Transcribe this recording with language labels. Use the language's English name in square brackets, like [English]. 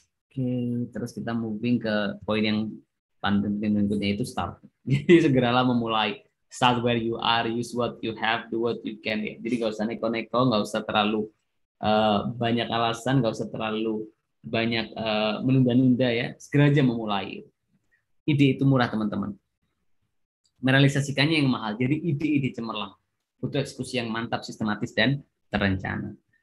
[Indonesian] Oke, terus kita moving ke poin yang penting berikutnya itu start. Jadi segeralah memulai. [English] Start where you are, use what you have, do what you can. [Indonesian] Ya. Jadi nggak usah neko-neko, nggak usah terlalu banyak alasan, nggak usah terlalu banyak menunda-nunda ya. Segera aja memulai. Ide itu murah teman-teman. Merealisasikannya yang mahal. Jadi ide-ide cemerlang. Butuh eksekusi yang mantap, sistematis dan terencana.